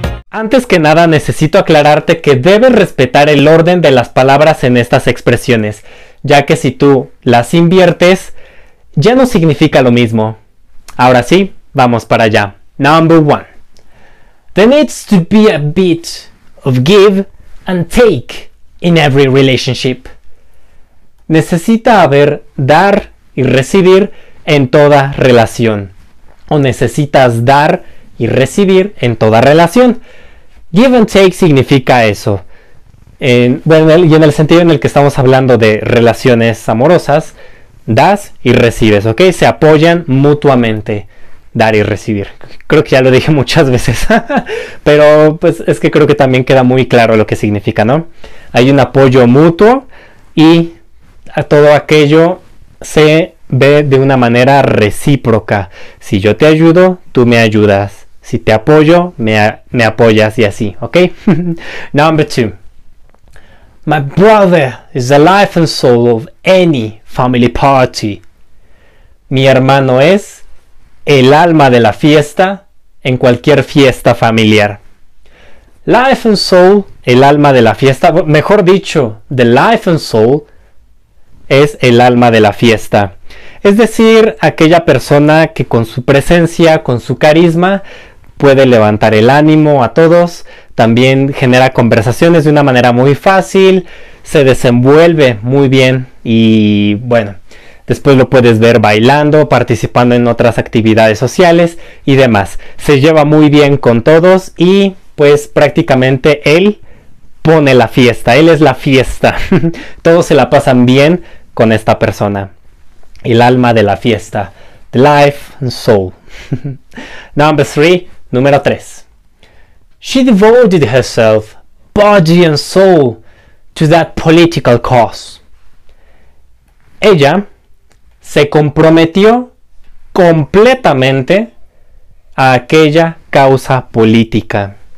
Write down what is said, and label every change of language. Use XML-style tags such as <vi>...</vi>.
<es>Antes que nada, necesito aclararte que debes respetar el orden de las palabras en estas expresiones, ya que si tú las inviertes, ya no significa lo mismo. Ahora sí, vamos para allá.</es> <en>Number one. There needs to be a bit of give and take in every relationship.</en> <es>Necesita haber dar y recibir en toda relación. O necesitas dar y recibir en toda relación. Give and take significa eso. En el sentido en el que estamos hablando de relaciones amorosas, das y recibes, ¿ok? Se apoyan mutuamente. Dar y recibir. Creo que ya lo dije muchas veces. Pero pues es que creo que también queda muy claro lo que significa, ¿no? Hay un apoyo mutuo y a todo aquello se ve de una manera recíproca. Si yo te ayudo, tú me ayudas. Si te apoyo, me apoyas y así, ¿ok?</es> <en>Number two. My brother is the life and soul of any family party.</en> <es>Mi hermano es el alma de la fiesta en cualquier fiesta familiar. Life and soul, el alma de la fiesta, mejor dicho, the life and soul es el alma de la fiesta. Es decir, aquella persona que con su presencia, con su carisma, puede levantar el ánimo a todos, también genera conversaciones de una manera muy fácil, se desenvuelve muy bien y bueno, después lo puedes ver bailando, participando en otras actividades sociales y demás. Se lleva muy bien con todos y pues prácticamente él pone la fiesta, él es la fiesta. Todos se la pasan bien con esta persona. El alma de la fiesta.</es> <en>The life and soul. Number three.</en> <es>Número 3.</es> <en>She devoted herself, body and soul, to that political cause.</en> <es>Ella se comprometió completamente a aquella causa política.</es>